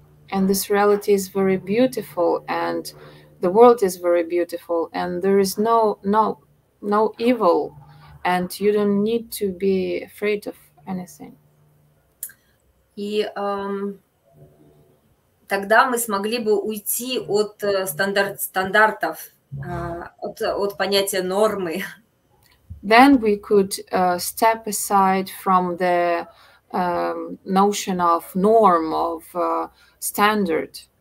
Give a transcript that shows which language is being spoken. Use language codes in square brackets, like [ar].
[en] And this reality is very beautiful, and the world is very beautiful, and there is no evil, and you don't need to be afraid of anything. [ru] И тогда мы смогли бы уйти от стандартов, от понятия нормы. [en] Then we could step aside from the notion of norm, of standard.